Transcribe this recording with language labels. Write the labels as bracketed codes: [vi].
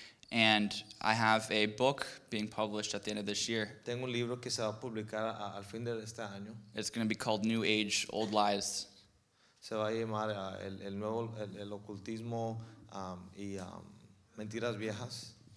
[en] And I have a book being published at the end of this year. [es] Tengo un libro que se va a publicar al fin de este año. [en] It's going to be called New Age, Old Lies. [es] Se va a llamar el nuevo el ocultismo y mentiras viejas.